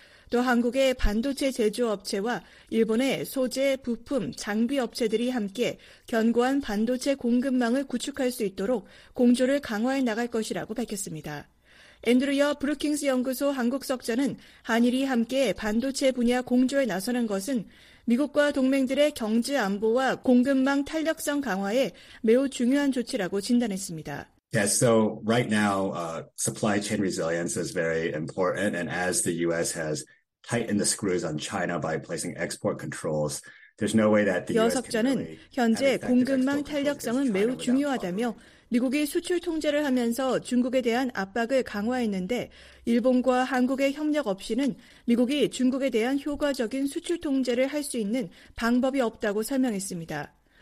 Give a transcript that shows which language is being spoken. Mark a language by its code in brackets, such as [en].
[ko] 또 한국의 반도체 제조업체와 일본의 소재, 부품, 장비 업체들이 함께 견고한 반도체 공급망을 구축할 수 있도록 공조를 강화해 나갈 것이라고 밝혔습니다. 앤드루여 브루킹스 연구소 한국 석좌는 한일이 함께 반도체 분야 공조에 나서는 것은 미국과 동맹들의 경제 안보와 공급망 탄력성 강화에 매우 중요한 조치라고 진단했습니다. [en] Yes, so right now supply chain resilience is very important and as the US has tightened the screws on China by placing export controls. [ko] 여 석좌는 현재 공급망 탄력성은 매우 중요하다며 미국이 수출 통제를 하면서 중국에 대한 압박을 강화했는데 일본과 한국의 협력 없이는 미국이 중국에 대한 효과적인 수출 통제를 할 수 있는 방법이 없다고 설명했습니다.